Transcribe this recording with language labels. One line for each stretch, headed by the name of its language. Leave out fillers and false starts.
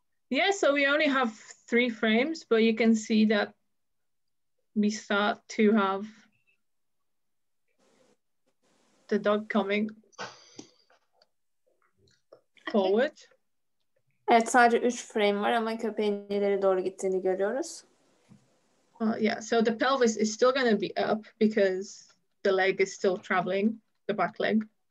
English: Yeah, so we only have three frames, but you can see that we start to have the dog coming forward.
Turkish: Evet, sadece üç frame var ama köpeğin ileri doğru gittiğini görüyoruz.
English: Yeah, so the pelvis is still going to be up because the leg is still traveling, the back leg.